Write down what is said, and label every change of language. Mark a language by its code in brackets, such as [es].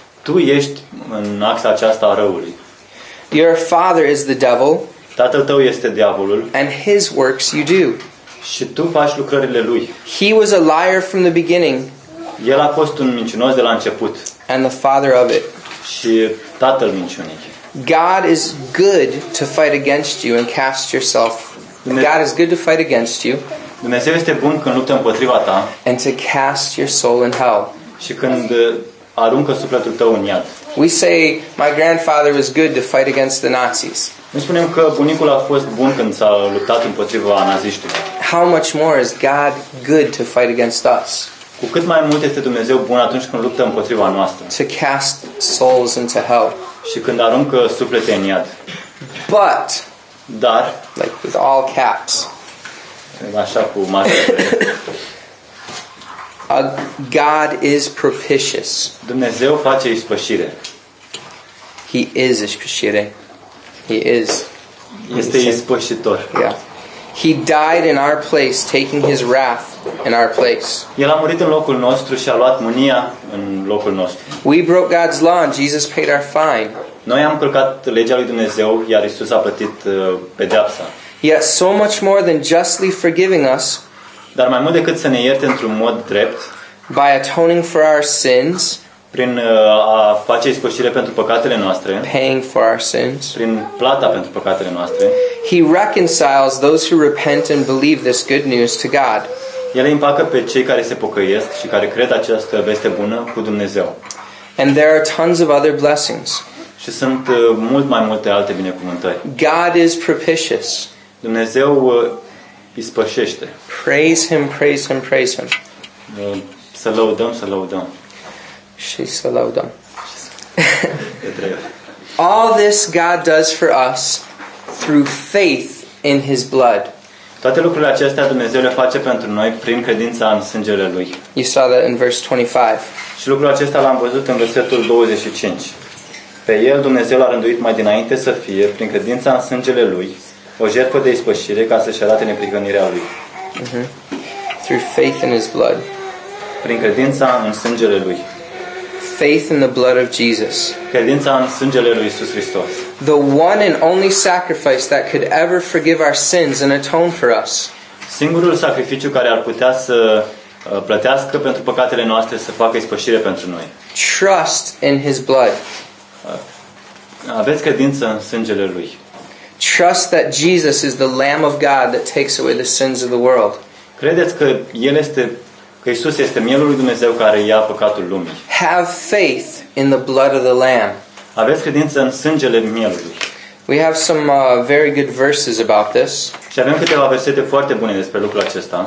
[ro] Tu ești în axa aceasta a răului. [en] Your father is the devil. [ro] Tatăl tău este diavolul. [en] And his works you do. [ro] Și tu faci lucrările lui. [en] He was a liar from the beginning. [ro] El a fost un mincinos de la început. [en] And the father of it. [ro] Și tatăl minciunii. [en] God is good to fight against you and cast yourself. God is good to fight against you. [ro] Dumnezeu este bun când luptă împotriva ta. [en] And to cast your soul in hell. [ro] Și când aruncă sufletul tău în iad. [en] We say my grandfather was good to fight against the Nazis. [ro] Noi spunem că bunicul a fost bun când s-a luptat împotriva naziștilor. [en] How much more is God good to fight against us? [ro] Cu cât mai mult este Dumnezeu bun atunci când luptă împotriva noastră. [en] To cast souls into hell. [ro] Și când aruncă suflete în iad. [en] But. [ro] Dar. [en] Like with all caps. [ro] Așa cu mare. [en] God is propitious. [ro] Dumnezeu face ispășire. [en] He is ispășire. He is. [ro] Este ispășitor. [en] Yeah. He died in our place, taking his wrath in our place. [ro] El a murit în locul nostru și a luat mânia în locul nostru. [en] We broke God's law, and Jesus paid our fine. [ro] Noi am călcat legea lui Dumnezeu, iar Isus a plătit pedeapsa. [en] Yet so much more than justly forgiving us. [ro] Dar mai mult decât să ne ierte într-un mod drept. [en] By atoning for our sins. [ro] Prin a face ispășire pentru păcatele noastre. [en] Paying for our sins. [ro] Prin plata pentru păcatele noastre. [en] He reconciles those who repent and believe this good news to God. [ro] El îi împacă pe cei care se pocăiesc și care cred această veste bună cu Dumnezeu. [en] And there are tons of other blessings. [ro] Și sunt mult mai multe alte binecuvântări. [en] God is propitious. [ro] Dumnezeu ispășește. [en] Praise him, praise him, praise him. [ro] Să lăudăm, să lăudăm. Și să lăudăm. [en] All this God does for us through faith in his blood. [ro] Toate lucrurile acestea Dumnezeu le face pentru noi prin credința în sângele lui. [en] You saw that in verse 25. [ro] Și lucrul acesta l-am văzut în versetul 25. Pe el Dumnezeu l-a rânduit mai dinainte să fie, prin credința în sângele lui, o jertfă de ispășire ca să-și arate neprihănirea lui. [en] Through faith in his blood. [ro] Prin credința în sângele lui. [en] Faith in the blood of Jesus. [ro] Credința în sângele lui Iisus Hristos. [en] The one and only sacrifice that could ever forgive our sins and atone for us. [ro] Singurul sacrificiu care ar putea să plătească pentru păcatele noastre, să facă ispășire pentru noi. [en] Trust in his blood. [ro] Aveți credință în sângele lui. [en] Trust that Jesus is the Lamb of God that takes away the sins of the world. [ro] Credeți că El este, că Isus este mielul lui Dumnezeu care ia păcatul lumii. [en] Have faith in the blood of the Lamb. [ro] Aveți credință în sângele mielului. [en] We have some very good verses about this. [ro] Și avem câteva versete foarte bune despre lucrul acesta.